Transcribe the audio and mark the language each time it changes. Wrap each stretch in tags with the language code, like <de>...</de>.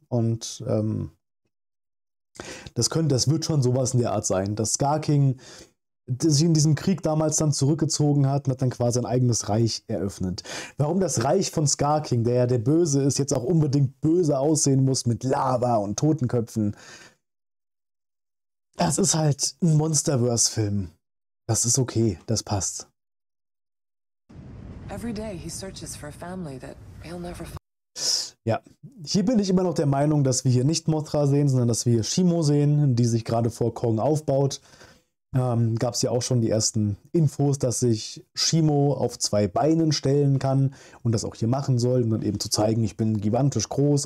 <de>Und das wird schon sowas in der Art sein, dass Scar King sich in diesem Krieg damals dann zurückgezogen hat und hat dann quasi ein eigenes Reich eröffnet. Warum das Reich von Scar King, der ja der Böse ist, jetzt auch unbedingt böse aussehen muss mit Lava und Totenköpfen. Das ist halt ein Monsterverse-Film. Das ist okay, das passt.</de> <en>Every day he searches for a family that he'll never find.</en> <de>Ja, hier bin ich immer noch der Meinung, dass wir hier nicht Mothra sehen, sondern dass wir hier Shimo sehen, die sich gerade vor Kong aufbaut. Gab es ja auch schon die ersten Infos, dass sich Shimo auf zwei Beinen stellen kann und das auch hier machen soll, um dann eben zu zeigen, ich bin gigantisch groß.</de>